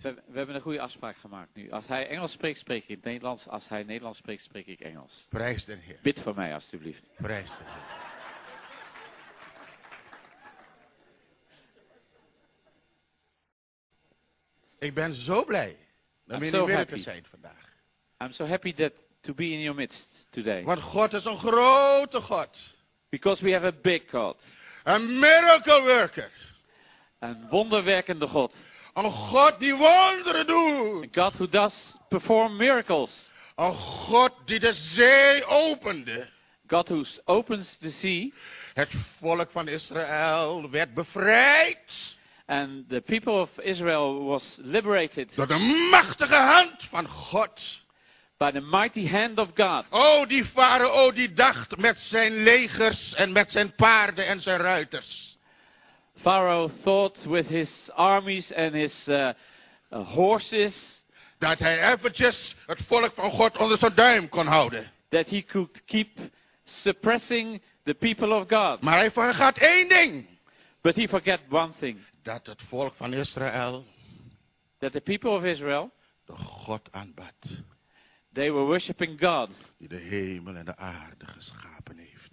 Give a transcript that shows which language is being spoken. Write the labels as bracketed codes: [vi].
[nl] We hebben een goede afspraak gemaakt nu. Als hij Engels spreekt, spreek ik Nederlands. Als hij Nederlands spreekt, spreek ik Engels. Prijs den Heer. Bid voor mij, alstublieft. Prijs den Heer. Ik ben zo blij om in uw midden te zijn vandaag. [en] I'm so happy that to be in your midst today. [nl] Want God is een grote God. [en] Because we have a big God. A miracle worker. [nl] Een wonderwerkende God. Een God die wonderen doet. [en] A God who does perform miracles. [nl] Een God die de zee opende. [en] God who opens the sea. [nl] Het volk van Israël werd bevrijd. [en] And the people of Israel was liberated. [nl] Door de machtige hand van God. [en] By the mighty hand of God. [nl] Oh, die farao die dacht met zijn legers en met zijn paarden en zijn ruiters. [en] Pharaoh thought with his armies and his horses that he [nl] eventjes het volk van God onder zijn duim kon houden. [en] That he could keep suppressing the people of God. [nl] Maar hij vergat één ding. [en] But he forget one thing. [nl] Dat het volk van Israël. [en] That the people of Israel. [nl] De God aanbad. [en] They were worshiping God. [nl] Die de hemel en de aarde geschapen heeft.